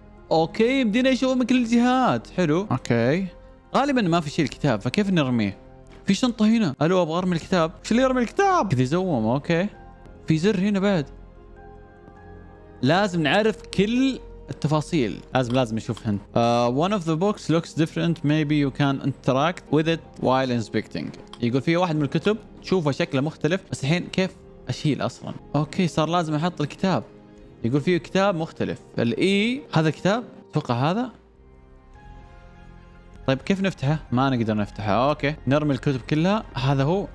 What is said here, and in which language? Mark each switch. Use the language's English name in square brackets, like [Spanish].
[Arabic] اوكي، بدينا نشوف من كل الجهات. حلو. اوكي، غالبا ما في شيء الكتاب، فكيف نرميه؟ في شنطه هنا. الو، ابغى ارمي الكتاب. ايش اللي يرمي الكتاب كذا زوم؟ اوكي، في زر هنا بعد. لازم نعرف كل التفاصيل، لازم نشوف هنا. [English] One of the books looks different. Maybe you can interact with it while inspecting. [Arabic] يقول في واحد من الكتب تشوفه شكله مختلف، بس الحين كيف اشيل اصلا؟ اوكي، صار لازم احط الكتاب. يقول فيه كتاب مختلف. الاي هذا كتاب اتوقع هذا. طيب كيف نفتحه؟ ما نقدر نفتحه. اوكي، نرمي الكتب كلها. هذا هو.